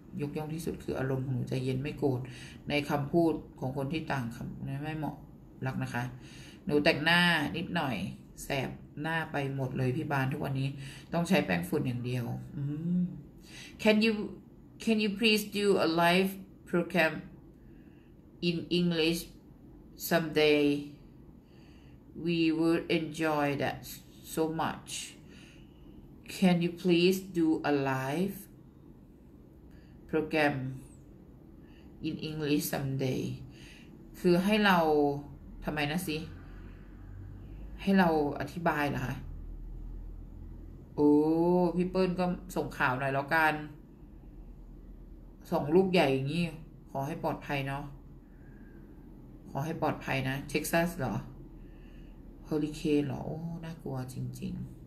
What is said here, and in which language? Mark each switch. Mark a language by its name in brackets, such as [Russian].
[Thai] ยกย่องที่สุดคืออารมณ์ของหนูใจเย็นไม่โกรธในคำพูดของคนที่ต่างคำไม่เหมาะรักนะคะหนูแต่งหน้านิดหน่อยแสบหน้าไปหมดเลยพี่บานทุกวันนี้ต้องใช้แป้งฝุ่นอย่างเดียว [English] Can you please do a live program in English someday? We would enjoy that so much. Can you please do a live program in English someday? [Thai] คือให้เราทำไมนะสิให้เราอธิบายเหรอคะโอ้พี่เปิ้ลก็ส่งข่าวหน่อยแล้วกันส่งรูปใหญ่อย่างนี้ขอให้ปลอดภัยเนาะขอให้ปลอดภัยนะเท็กซัสเหรอเฮอริเคนเหรอโอ้น่ากลัวจริงๆ